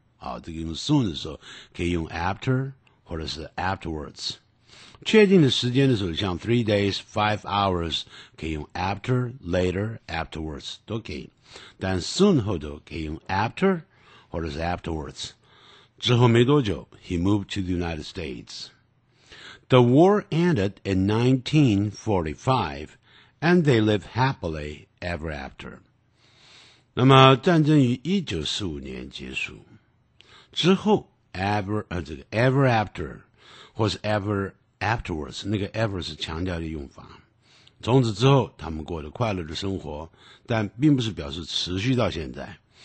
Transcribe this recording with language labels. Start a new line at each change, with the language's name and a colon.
Chinese: 好，这个用 soon 的时候可以用 after 或者是 afterwards。确定的时间的时候，像 3 days 5 hours 可以用 after, later, afterwards 都可以，但 soon 后头可以用 after 或者是 afterwards。之后没多久
English: He moved to the United States. The war ended in 1945 and they lived happily ever after.
Chinese: 那么战争于1945年结束之后 ever after 或是 ever afterwards， 那个 ever 是强调的用法。从此之后他们过得快乐的生活，但并不是表示持续到现在。